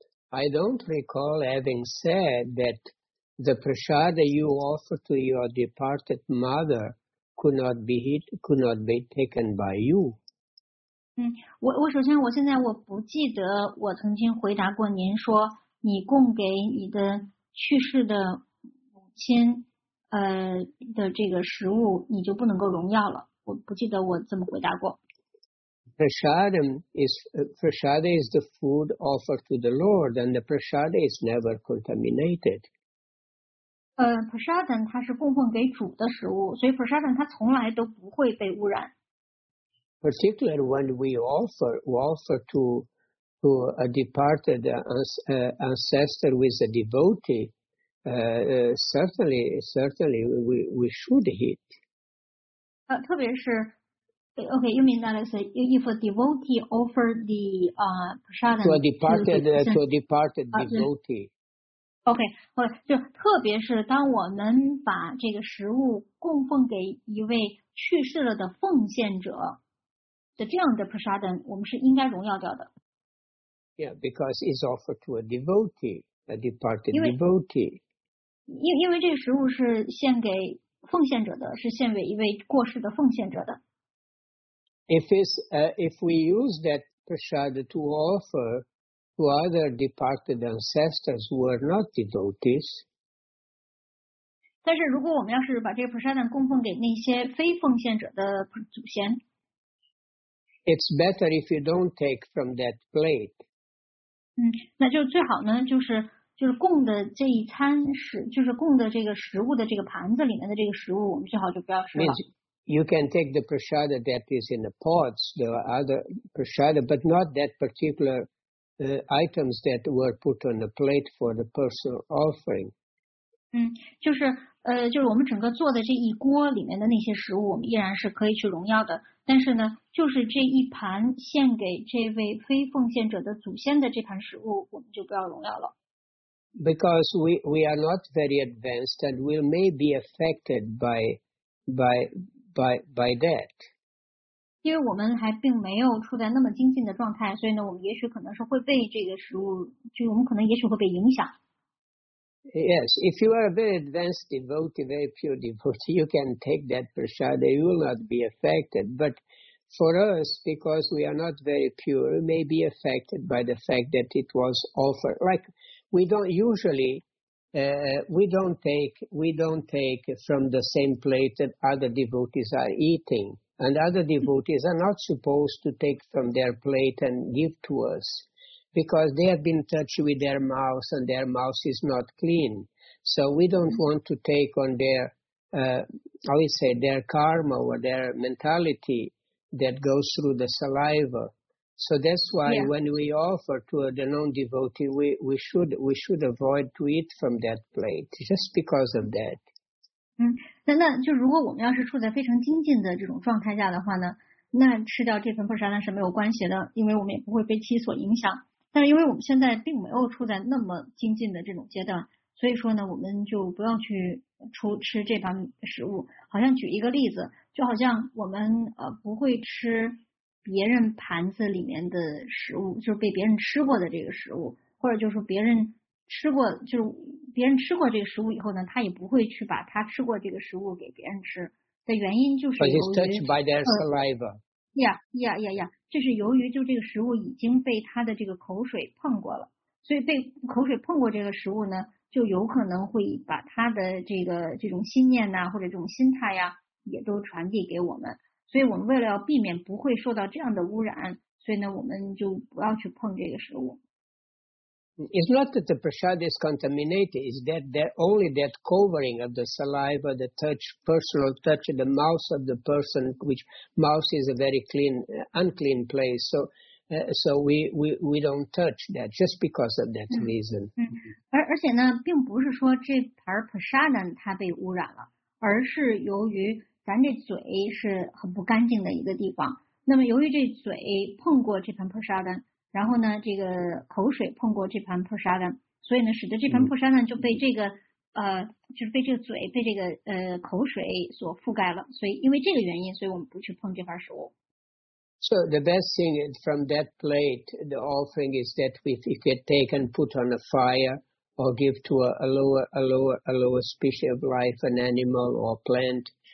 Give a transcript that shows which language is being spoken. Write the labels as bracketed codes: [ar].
[en] I don't recall having said that the prasada you offer to your departed mother could not be taken by you. [zh] 我首先我现在我不记得我曾经回答过您说你供给你的去世的母亲的这个食物你就不能够荣耀了，我不记得我这么回答过。 [en] Prasada is the food offered to the Lord, and the prasada is never contaminated. [zh] Prasadam 它是供奉给主的食物，所以 prasadam 它从来都不会被污染。 [en] Particularly when we offer to a departed ancestor with a devotee, certainly we should eat. [zh] 特别是。 [en] Okay, you mean that is if a devotee offered the prasadam to a departed devotee. [zh] Okay, 或者就特别是当我们把这个食物供奉给一位去世了的奉献者的这样的 prasadam, 我们是应该荣耀掉的。 [en] Yeah, because it's offered to a devotee, a departed devotee. [zh] 因为这个食物是献给奉献者的，是献给一位过世的奉献者的。 [en] If we use that prasada to offer to other departed ancestors who are not devotees, [zh] 但是如果我们要是把这个 prasada 供奉给那些非奉献者的祖先， [en] it's better if you don't take from that plate. [zh] 那就最好呢，就是就是供的这一餐食，就是供的这个食物的这个盘子里面的这个食物，我们最好就不要吃了。 [en] You can take the prasada that is in the pots, the other prasada, but not that particular items that were put on the plate for the personal offering. [zh] 就是我们整个做的这一锅里面的那些食物，我们依然是可以去荣耀的。但是呢，就是这一盘献给这位非奉献者的祖先的这盘食物，我们就不要荣耀了。 [en] Because we are not very advanced and we may be affected by that. [zh] 因为我们还并没有处在那么精进的状态，所以呢，我们也许可能是会被这个食物，就我们可能也许会被影响。 [en] Yes, if you are a very advanced devotee, very pure devotee, you can take that prasada, you will not be affected. But for us, because we are not very pure, we may be affected by the fact that it was offered. Like, we don't usually, we don't take from the same plate that other devotees are eating. And other devotees are not supposed to take from their plate and give to us. Because they have been touched with their mouth and their mouth is not clean. So we don't want to take on their, their karma or their mentality that goes through the saliva. So that's why when we offer to a non-devotee, we should avoid to eat from that plate, just because of that. [zh] 那就如果我们要是处在非常精进的这种状态下的话呢，那吃掉这份布沙拉是没有关系的，因为我们也不会被其所影响。但是因为我们现在并没有处在那么精进的这种阶段，所以说呢，我们就不要去吃这盘食物。好像举一个例子，就好像我们不会吃别人盘子里面的食物，就是被别人吃过的这个食物，或者就是别人吃过，就是别人吃过这个食物以后呢，他也不会去把他吃过这个食物给别人吃。的原因就是由于 [en] But he's touched by their saliva. Yeah. [zh] 这是由于就这个食物已经被他的这个口水碰过了，所以被口水碰过这个食物呢，就有可能会把他的这种心念呐、或者这种心态呀，也都传递给我们。所以我们为了要避免不会受到这样的污染，所以呢，我们就不要去碰这个食物。 [en] It's not that the prasad is contaminated; it's that only that covering of the saliva, the touch, personal touch, the mouth of the person, which mouth is a very clean, unclean place. So we don't touch that just because of that reason. [zh] 而且呢，并不是说这盘 prasad 它被污染了，而是由于咱这嘴是很不干净的一个地方。那么由于这嘴碰过这盘 prasad。然后呢，这个口水碰过这盘破沙蛋，所以呢，使得这盘破沙蛋就被这个就是被这个嘴被这个口水所覆盖了。所以因为这个原因，所以我们不去碰这盘食物。 [en] So the best thing is from that plate, the offering is that we could take and put on a fire or give to a lower species of life, an animal or plant.